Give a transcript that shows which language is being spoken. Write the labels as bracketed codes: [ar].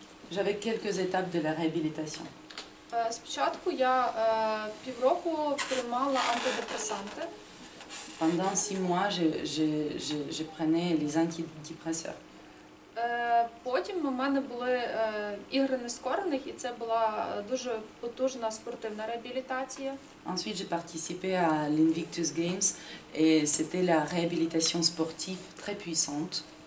[fr] J'avais quelques étapes de la réhabilitation. [uk] Спочатку я півроку приймала антидепресанти. [fr] Pendant 6 mois, je prenais les antidépresseurs. [uk] Потім у мене були ігри нескорених, і це була дуже потужна спортивна реабілітація. [fr] Ensuite, j'ai participé à l'Invictus Games et c'était la réhabilitation sportive très puissante.